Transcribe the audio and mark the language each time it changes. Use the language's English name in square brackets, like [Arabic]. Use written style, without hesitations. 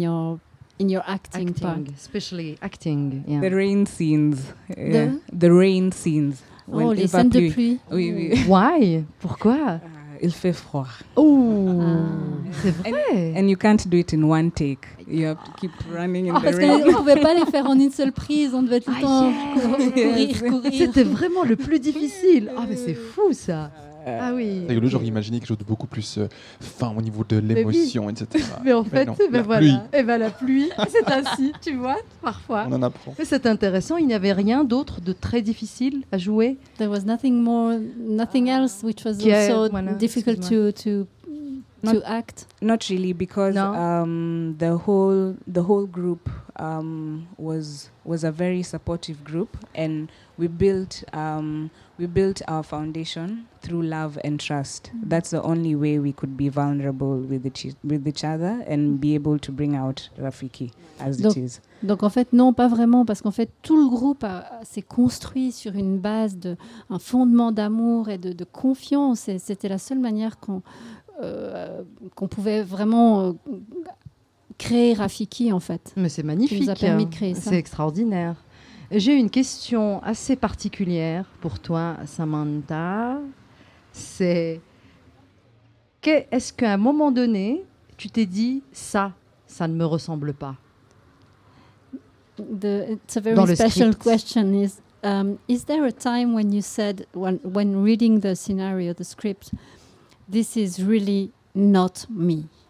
[English] What has been the most difficult thing in your acting part? Especially acting, yeah. The rain scenes. The rain scenes. [French] When les scènes de pluie. Oui. [English] Why? [French] Pourquoi? Il fait froid. C'est vrai. [English] And you can't do it in one take. You have to keep running in the [French] parce [English] rain. [French] Parce qu'on ne pouvait pas les faire en une seule prise. On devait tout le temps courir. C'était vraiment le plus difficile. Ah, mais c'est fou, ça. Ah oui. Et j'aurais imaginé quelque chose de beaucoup plus fin au niveau de l'émotion, mais oui. Etc. Mais en fait, mais voilà. Et ben la pluie, c'est ainsi, tu vois, parfois. On en apprend. Mais c'est intéressant. Il n'y avait rien d'autre de très difficile à jouer. [English] There was nothing else which was also difficult to act. Not really, because the whole group was a very supportive group, and we built. We built our foundation through love and trust. Mm-hmm. That's the only way we could be vulnerable with each other and be able to bring out Rafiki as [French] donc, [English] it is. [French] Donc en fait, non, pas vraiment, parce qu'en fait, tout le groupe s'est construit sur une base de un fondement d'amour et de confiance. Et c'était la seule manière qu'on pouvait vraiment créer Rafiki en fait. Mais c'est magnifique. Qui nous a permis de créer ça. C'est extraordinaire. J'ai une question assez particulière pour toi, Samantha. C'est est-ce qu'à un moment donné, tu t'es dit ça ne me ressemble pas? [English] It's a very dans special question. Is there a time when you said when reading the scenario, the script, this is really not me?